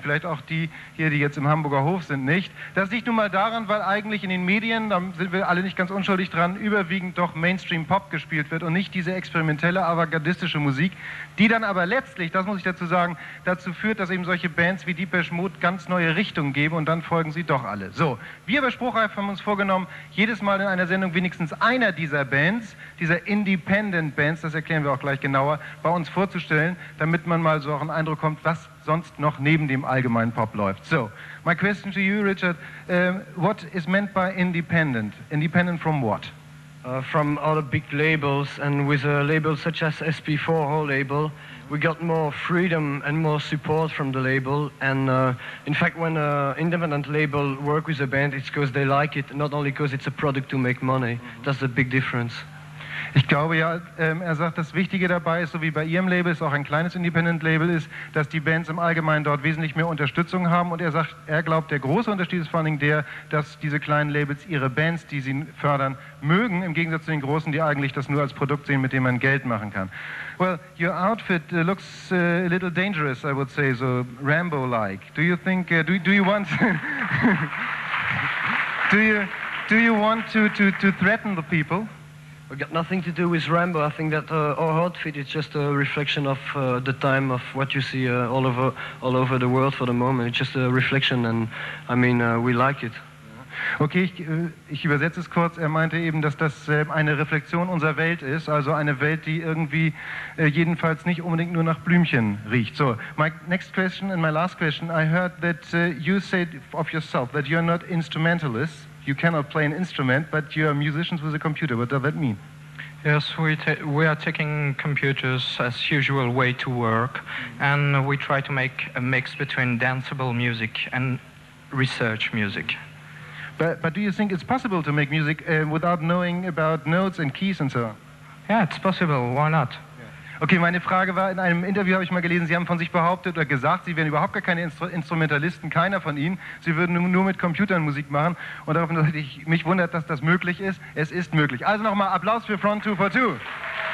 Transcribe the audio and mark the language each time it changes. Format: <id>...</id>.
<de>Vielleicht auch die hier, die jetzt im Hamburger Hof sind, nicht. Das liegt nun mal daran, weil eigentlich in den Medien, da sind wir alle nicht ganz unschuldig dran, überwiegend doch Mainstream-Pop gespielt wird und nicht diese experimentelle, avantgardistische Musik, die dann aber letztlich, das muss ich dazu sagen, dazu führt, dass eben solche Bands wie Depeche Mode ganz neue Richtungen geben und dann folgen sie doch alle. So, wir bei Spruchreif haben uns vorgenommen, jedes Mal in einer Sendung wenigstens einer dieser Bands, dieser Independent-Bands, das erklären wir auch gleich genauer, bei uns vorzustellen, damit man mal so auch einen Eindruck kommt, was sonst noch neben dem allgemeinen Pop läuft.</de> <en>So, my question to you, Richard, what is meant by independent? Independent from what? From other big labels, and with a label such as SP4, our label, we got more freedom and more support from the label, and in fact, when an independent label work with a band, it's because they like it, not only because it's a product to make money. Mm-hmm. That's the big difference.</en> <de>Ich glaube ja, er sagt, das Wichtige dabei ist, so wie bei Ihrem Label, es auch ein kleines Independent-Label ist, dass die Bands im Allgemeinen dort wesentlich mehr Unterstützung haben. Und er sagt, er glaubt, der große Unterschied ist vor allen Dingen der, dass diese kleinen Labels ihre Bands, die sie fördern, mögen, im Gegensatz zu den großen, die eigentlich das nur als Produkt sehen, mit dem man Geld machen kann.</de> <en>Well, your outfit looks a little dangerous, I would say, so Rambo-like. Do you think, do you want to threaten the people? We got nothing to do with Rambo. I think that our outfit is just a reflection of the time of what you see all over the world for the moment. It's just a reflection, and I mean, we like it.</en> <de>Okay, ich übersetze es kurz. Er meinte eben, dass das eine Reflexion unserer Welt ist, also eine Welt, die irgendwie jedenfalls nicht unbedingt nur nach Blümchen riecht.</de> <en>So, my next question and my last question. I heard that you said of yourself that you're not instrumentalist. You cannot play an instrument, but you are musicians with a computer. What does that mean? Yes, we are taking computers as usual way to work, and we try to make a mix between danceable music and research music. But do you think it's possible to make music without knowing about notes and keys and so on? Yeah, it's possible. Why not?</en> <de>Okay, meine Frage war, in einem Interview habe ich mal gelesen, Sie haben von sich behauptet oder gesagt, Sie wären überhaupt gar keine Instrumentalisten, keiner von Ihnen. Sie würden nur mit Computern Musik machen. Und darauf mich wundert, dass das möglich ist. Es ist möglich. Also nochmal Applaus für Front 242.</de>